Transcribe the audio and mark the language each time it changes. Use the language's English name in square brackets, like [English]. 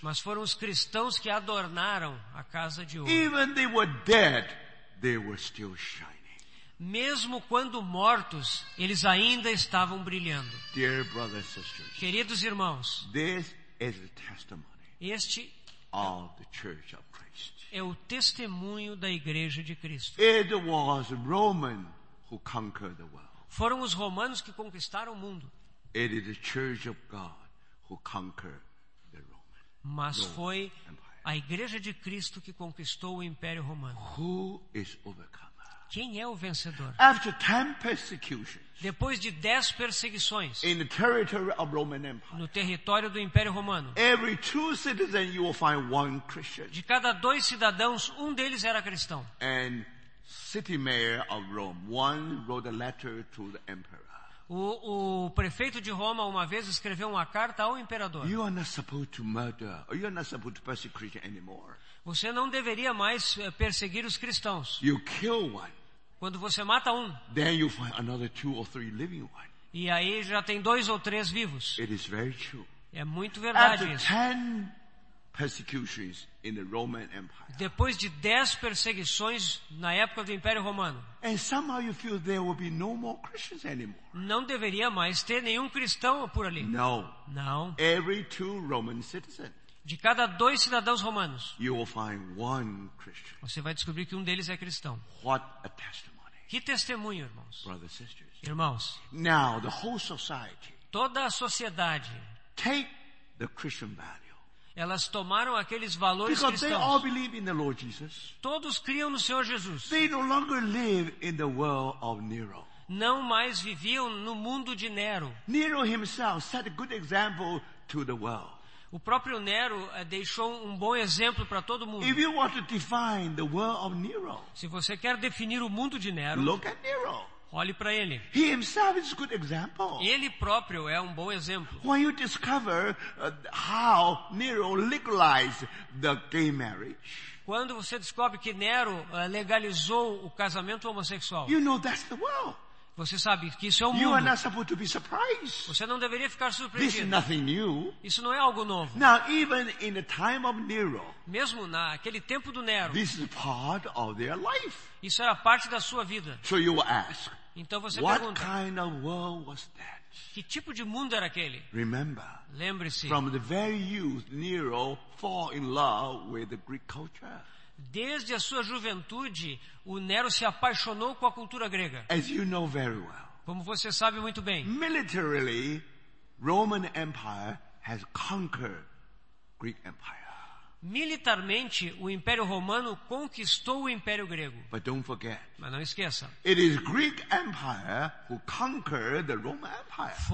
[Portuguese] Mas foram os cristãos que adornaram a casa de ouro. [English] Even they were dead, they were still shining. [Portuguese] Mesmo quando mortos, eles ainda estavam brilhando. [English] Dear brothers and sisters, [Portuguese] queridos irmãos, [English] this is the testimony. [Portuguese] Este [English] of the Church of Christ. [Portuguese] É o testemunho da Igreja de Cristo. [English] It was Roman who conquered the world. [Portuguese] Foram os romanos que conquistaram o mundo. [English] It is the Church of God who conquered the Roman. [Portuguese] Mas [English] Roman [Portuguese] foi [English] Empire. [Portuguese] A Igreja de Cristo que conquistou o Império Romano. [English] Who is overcomer? [Portuguese] Quem é o vencedor? [English] After 10 persecutions. [Portuguese] Depois de 10 perseguições [English] in the territory of Roman Empire, [Portuguese] no território do Império Romano, [English] every 2 citizens you will find 1 Christian. [Portuguese] De cada 2 cidadãos, um deles era cristão. [English] And city mayor of Rome, one wrote a letter to the emperor. [Portuguese] O prefeito de Roma uma vez escreveu uma carta ao imperador. [English] You are not supposed to murder, or you are not supposed to persecute Christians anymore. [Portuguese] Você não deveria mais perseguir os cristãos. [English] You kill one. [Portuguese] Quando você mata um, [English] then you find another 2 or 3 living ones. [Portuguese] E aí já tem 2 ou 3 vivos. [English] It is very true. [Portuguese] É muito verdade. [English] After 10 persecutions in the Roman Empire. [Portuguese] Depois de 10 perseguições na época do Império Romano. [English] And somehow you feel there will be no more Christians anymore. [Portuguese] Não deveria mais ter nenhum cristão por ali. [English] No. [Portuguese] Não. [English] Every 2 Roman citizens. [Portuguese] De cada 2 cidadãos romanos, [English] you will find 1 Christian. [Portuguese] Você vai descobrir que um deles é cristão. [English] What a testimony. [Portuguese] Que testemunho, irmãos. [English] Brothers, sisters. [Portuguese] Irmãos. [English] Now, the whole society, [Portuguese] toda a sociedade, [English] take the Christian value. [Portuguese] Elas tomaram aqueles valores [English] because [Portuguese] cristãos. [English] They all believe in the Lord Jesus. [Portuguese] Todos criam no Senhor Jesus. [English] They no longer live in the world of Nero. [Portuguese] Não mais viviam no mundo de Nero. [English] Nero himself set a good example to the world. [Portuguese] O próprio Nero deixou um bom exemplo para todo mundo. [English] If you want to define the world of Nero, [Portuguese] se você quer definir o mundo de Nero, [English] look at Nero. [Portuguese] Olhe para ele. [English] He himself is a good example. [Portuguese] Ele próprio é um bom exemplo. [English] When you discover how Nero legalized the gay marriage, [Portuguese] quando você descobre que Nero legalizou o casamento homossexual, [English] you know that's the world. [Portuguese] Você sabe que isso é o mundo. [English] You are not supposed to be surprised. [Portuguese] Você não deveria ficar surpreendido. [English] This is nothing new. [Portuguese] Isso não é algo novo. [English] Now, even in the time of Nero, [Portuguese] mesmo naquele tempo do Nero, [English] this is part of their life. [Portuguese] Isso era parte da sua vida. [English] So you ask, [Portuguese] então você [English] what [Portuguese] pergunta, [English] kind of world was that? [Portuguese] Que tipo de mundo era aquele? [English] Remember, [Portuguese] lembre-se, [English] from the very youth, Nero fell in love with the Greek culture. [Portuguese] Desde a sua juventude, o Nero se apaixonou com a cultura grega. [English] As you know very well, [Portuguese] como você sabe muito bem, [English] militarily, Roman Empire has conquered Greek Empire. [Portuguese] Militarmente, o Império Romano conquistou o Império Grego. [English] But don't forget, [Portuguese] mas não esqueça, [English] it is Greek Empire who conquered the Roman Empire.